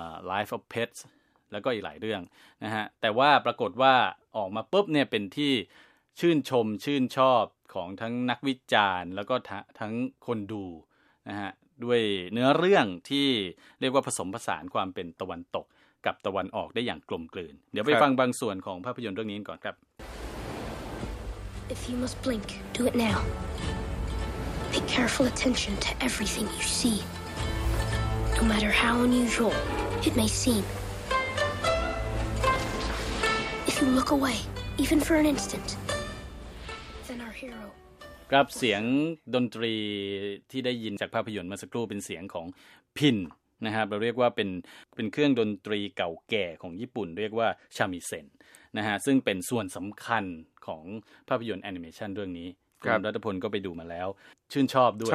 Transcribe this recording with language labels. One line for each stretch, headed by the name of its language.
Thai: Life of Petsแล้วก็อีกหลายเรื่องนะฮะแต่ว่าปรากฏว่าออกมาปุ๊บเนี่ยเป็นที่ชื่นชมชื่นชอบของทั้งนักวิจารณ์แล้วก็ทั้งคนดูนะฮะด้วยเนื้อเรื่องที่เรียกว่าผสมผสานความเป็นตะวันตกกับตะวันออกได้อย่างกลมกลืนเดี๋ยวไปฟังบางส่วนของภาพยนตร์เรื่องนี้ก่อนครับ
English: If you must blink, do it now. Pay careful attention to everything you see. No matter how unusual it may seemLook away, even for an instant. Then our hero.
Thai: ครับเสียงดนตรีที่ได้ยินจากภาพยนตร์เมื่อสักครู่เป็นเสียงของพินนะครับเราเรียกว่าเป็นเครื่องดนตรีเก่าแก่ของญี่ปุ่นเรียกว่าชามิเซนนะฮะซึ่งเป็นส่วนสำคัญของภาพยนตร์แอนิเมชันเรื่องนี้คุณรัตพลก็ไปดูมาแล้วชื่นชอบด้วย